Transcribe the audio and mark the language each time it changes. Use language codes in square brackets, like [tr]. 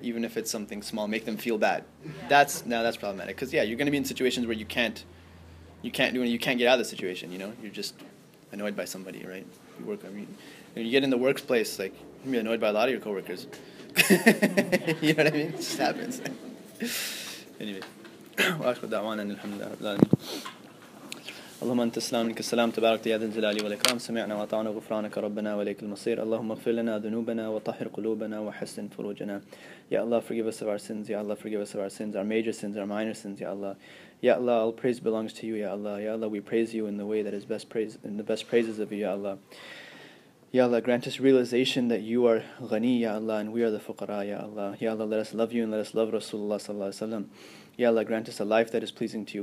[en] Even if it's something small, make them feel bad. Yeah. That's problematic, because yeah, you're going to be in situations where you can't do it. You can't get out of the situation. You know, you're just annoyed by somebody, right? You work, I mean, when you get in the workplace, like, you can be annoyed by a lot of your coworkers. You know what I mean? It just happens. Anyway. [ar] وآخر دعوانا أن الحمد لله رب العالمين. اللهم أنت السلام منك السلام تبارك يا ذا الجلال والإكرام سمعنا وأطعنا غفرانك ربنا وليك المصير اللهم اغفر لنا ذنوبنا وطهر قلوبنا وحسن فروجنا يا الله [en] forgive us of our sins [ar] يا الله [en] forgive us of our sins our major sins our minor sins [ar] يا الله. [en] Ya Allah, all praise belongs to you, Ya Allah. Ya Allah, we praise you in the way that is best praise, in the best praises of you, Ya Allah. Ya Allah, grant us realization that you are Ghani, Ya Allah, and we are the Fuqara, Ya Allah. Ya Allah, let us love you and let us love Rasulullah Sallallahu Alaihi Wasallam. Ya Allah, grant us a life that is pleasing to you.